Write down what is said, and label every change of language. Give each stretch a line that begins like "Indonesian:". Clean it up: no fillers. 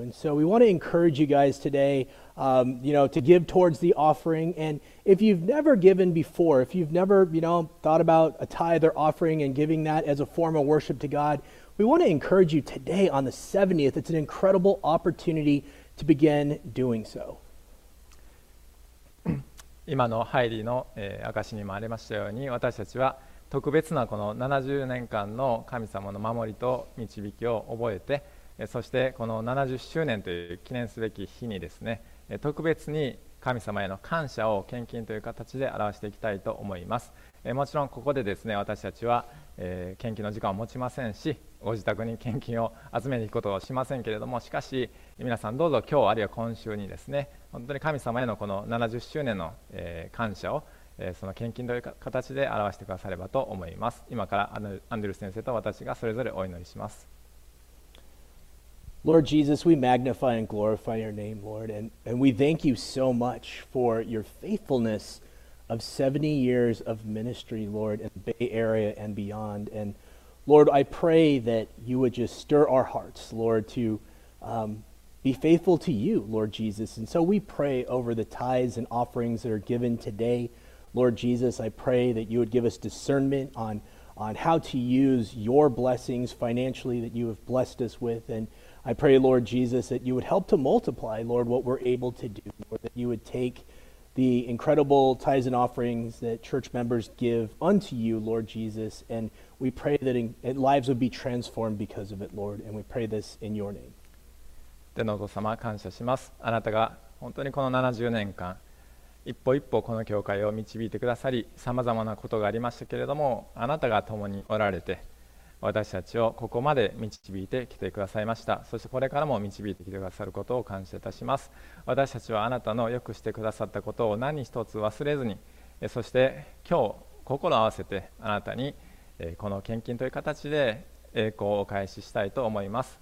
English: And so we want to encourage you guys today, you know, to give towards the offering. And if you've never given before, if you've never, you know, thought about a tithe or offering and giving that as a form of worship to God, we want to encourage you today on the 70th. It's an incredible opportunity to begin doing so.
Japanese: 今のハイディの、証にもありましたように、私たちは特別なこの70年間の神様の守りと導きを覚えて、そしてこの70周年という記念すべき日にですね、特別に神様への感謝を献金という形で表していきたいと思います。もちろんここでですね、私たちは、献金の時間を持ちませんし、ご自宅に献金を集めに行くことはしませんけれども、しかし皆さんどうぞ今日あるいは今週にですね、本当に神様へのこの70周年の、感謝を、その献金という形で表してくださればと思います。今からアンデル先生と私がそれぞれお祈りします。
English: Lord Jesus, we magnify and glorify your name, Lord, and we thank you so much for your faithfulness of 70 years of ministry, Lord, in the Bay Area and beyond. And Lord, I pray that you would just stir our hearts, Lord, to be faithful to you, Lord Jesus. And so we pray over the tithes and offerings that are given today. Lord Jesus, I pray that you would give us discernment on how to use your blessings financially that you have blessed us with. And I pray, Lord Jesus, that you would help to multiply, Lord, what we're able to do, Lord, that you would take the incredible tithes and offerings that church members give unto you, Lord Jesus, and we pray that in lives would be transformed because of it, Lord, and we pray this in your name.
Japanese: 天のお父様、感謝します。あなたが本当にこの70年間、一歩一歩この教会を導いてくださり、様々なことがありましたけれども、あなたが共におられて、私たちをここまで導いてきてくださいました。そしてこれからも導いてきてくださることを感謝いたします。私たちはあなたのよくしてくださったことを何一つ忘れずに、そして今日心を合わせてあなたにこの献金という形で栄光をお返ししたいと思います。